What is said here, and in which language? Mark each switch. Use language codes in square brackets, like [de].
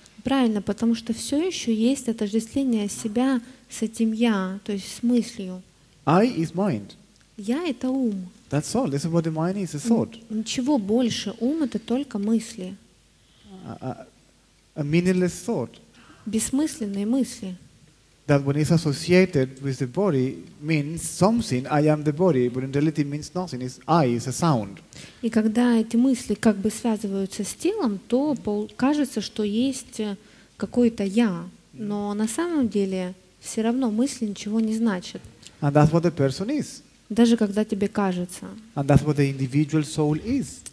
[ru] Правильно, потому что все еще есть отождествление себя с этим я, то есть с мыслью. [en] I is mind. [ru] Я это ум. [en] That's all. This is what the mind is, a thought. [ru] Ничего больше. Ум это только мысли. [en] A meaningless thought. [ru] Бессмысленные мысли. [en] That when it's associated with the body means something. I am the body, but in reality means nothing. It's I. It's a sound. [ru] И когда эти мысли как бы связываются с телом, то кажется, что есть какой-то я, но на самом деле все равно мысли ничего не значат. [en] And that's what the person is. [ru] Даже когда тебе кажется. [en] And that's what the individual soul is.